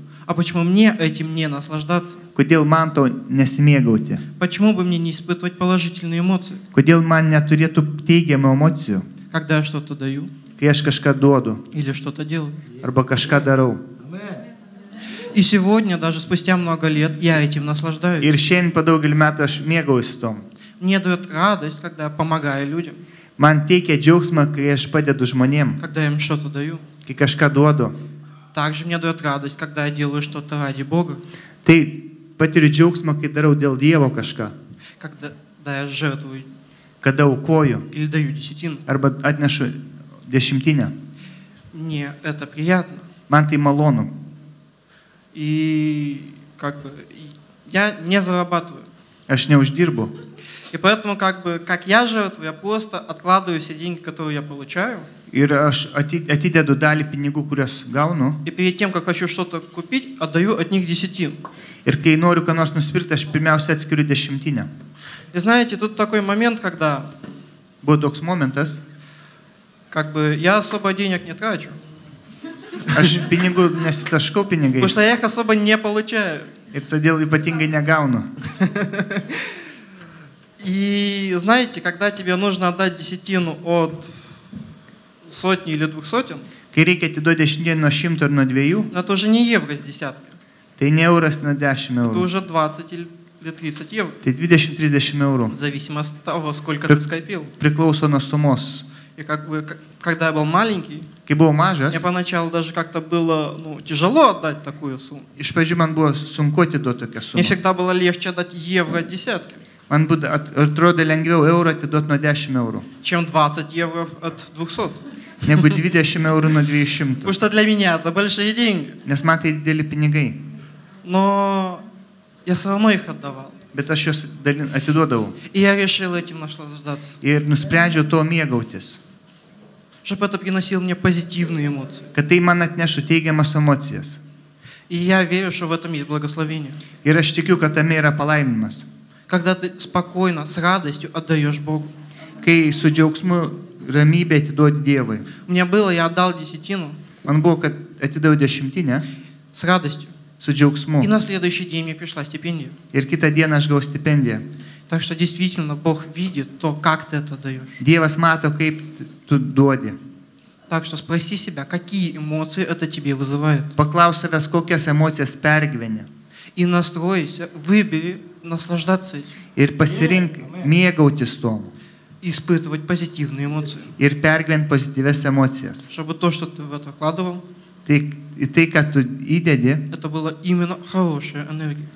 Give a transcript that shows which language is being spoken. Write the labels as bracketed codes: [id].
[ru] А почему мне этим не наслаждаться? [lt] Kodėl man to nesimėgauti? [ru] Почему бы мне не испытывать положительные эмоции? [lt] Kodėl man neturėtų teigiamų emocijų? [ru] Когда я что-то даю? [lt] Kai aš kažką duodu. [ru] Или что-то делаю? [lt] Arba kažką darau. [ru] И сегодня, даже спустя много лет, я этим наслаждаюсь. [lt] Ir šiandien po daugelį metų aš mėgaujuosi tom. [ru] Мне дает радость, когда я помогаю людям. [lt] Man teikia džiaugsmą, kai aš padedu žmonėm. [ru] Когда я им что-то даю? [lt] Kai kažką duodu. [ru] Также мне дает радость, когда я делаю что-то ради Бога. [lt] Tai patiriu džiaugsmą, kai darau dėl Dievo kažką. [ru] Когда я жертвую. [lt] Kada aukoju. [ru] Или даю десятину. [lt] Arba atnešu dešimtinę. [ru] Мне это приятно. [lt] Man tai malonu. [ru] И как бы я не зарабатываю. [lt] Aš neuždirbu. [ru] И поэтому как бы, как я жертвую, я просто откладываю все деньги, которые я получаю. [lt] Ir aš atidedu dalį pinigų, kurias gaunu. [ru] И перед тем, как хочу что-то купить, отдаю от них десятину. [lt] Ir kai noriu ką nors nusipirkti, aš pirmiausia atskiriu dešimtinę. [ru] И знаете, тут такой момент, когда... [lt] Buvo toks momentas. [ru] Как бы, я особо денег не трачу. [lt] Aš pinigų nesitaškau pinigais. [ru] Потому что я их особо не получаю. [lt] Ir todėl ypatingai negaunu. [ru] И знаете, когда тебе нужно отдать десятину от... сотни или двух сотен. [lt] Kai reikia atiduoti dešimtinę nuo šimto ir nuo dviejų. [ru] Но это уже не евро с десяткой. [lt] Tai ne euras nuo 10 eurų. [ru] Это уже 20 или 30 евро. [lt] Tai 20-30 eurų. [ru] Зависимо от того, сколько ты скопил. [lt] Priklauso nuo sumos. [ru] И как бы, когда я был маленький. [lt] Kai buvau mažas. [ru] Мне поначалу даже как-то было тяжело отдать такую сумму. [lt] Iš pradžių man buvo sunku atiduoti tokią sumą. [ru] Мне всегда было легче отдать евро от десятки. [lt] Man atrodė lengviau eurą atiduoti nuo 10 eurų. [ru] Чем 20 евро от 200. [lt] Negu 20 eurų nuo 200. Už tai [ru] для меня это большие деньги. [lt] Nes man tai dideli pinigai. [ru] Но я все равно их отдавал. [lt] Bet aš juos atiduodavau. [ru] И я решил этим наслаждаться. [lt] Ir nusprendžiau to mėgautis. [ru] Чтобы это приносило мне позитивные эмоции. [lt] Kad tai man atnešu teigiamas emocijas. [ru] И я верю, что в этом есть благословение. [lt] Ir aš tikiu, kad tame yra palaiminimas. [ru] Когда ты спокойно, с радостью отдаешь Богу. [lt] Kai su džiaugsmu ramybę atiduoti Dievui. [ru] Мне было, я отдал десятину. [lt] Man buvo, kad atidavau dešimtinę. [ru] С радостью. [lt] Su džiaugsmu. [ru] И на следующий день мне пришла стипендия. [lt] Ir kitą dieną aš gavau stipendiją. [ru] Так что действительно Бог видит то, как ты это даешь. [lt] Dievas mato, kaip tu duodi. [ru] Так что спроси себя, какие эмоции это тебе вызывает. [lt] Paklaus savęs, kokias emocijas pergyveni. [ru] И настройся, выбери наслаждаться этим. [lt] Ir pasirink mėgautis tuo. [ru] Испытывать позитивные эмоции. [lt] Ir pergyvent pozityvias emocijas. [ru] Чтобы то, что ты в это вкладывал, и ты, как ты идешь, это была именно хорошая энергия.